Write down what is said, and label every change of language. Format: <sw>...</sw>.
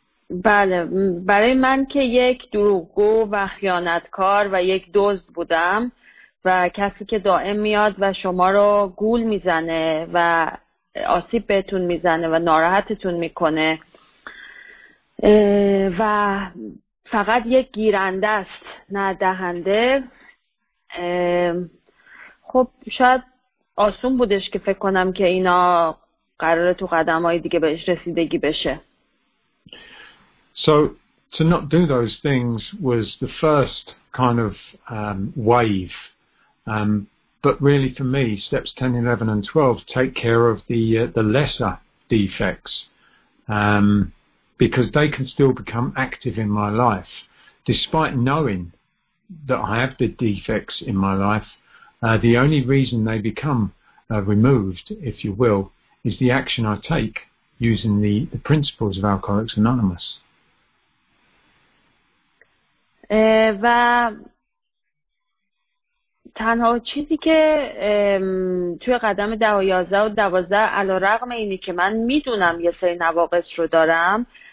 <fa>بله، برای من که یک دروغگو و خیانتکار و یک دزد بودم و کسی که دائم میاد و شما رو گول میزنه و آسیب بهتون میزنه و ناراحتتون میکنه و فقط یک گیرنده است نه دهنده، خب شاید آسون بودش که فکر کنم که اینا قراره تو قدم‌های دیگه بهش رسیدگی بشه.</fa> <en>So to not do those things was the first kind of wave. But really for me steps 10, 11 and 12 take care of the lesser defects. Because they can still become active in my life despite knowing that I have the defects in my life. The only reason they become removed, if you will, is the action I take using the principles of Alcoholics Anonymous.</en> <fa>و تنها چیزی که توی قدم 10 و 11 و 12 علی‌رغم اینی که من میدونم یه سری نواقص رو دارم</fa>